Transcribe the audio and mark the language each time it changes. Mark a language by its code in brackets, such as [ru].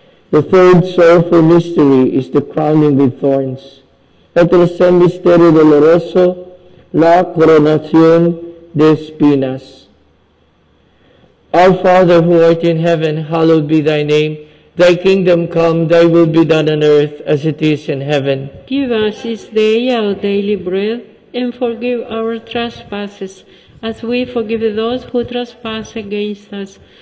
[en] The third sorrowful mystery is the crowning with thorns. [es] El tercer misterio doloroso, la coronación de espinas. [en] Our Father who art in heaven, hallowed be thy name. Thy kingdom come, thy will be done on earth as it is in heaven. Give us this day our daily bread, and forgive our trespasses, as we forgive those who trespass against us.